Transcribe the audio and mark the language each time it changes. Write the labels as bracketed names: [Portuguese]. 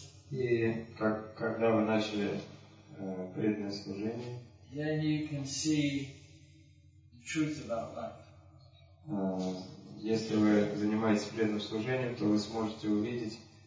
[Russian] И когда вы начали преданное служение, [English] then you can see the truth about life. [Russian] Если вы занимаетесь преданным служением, то вы сможете увидеть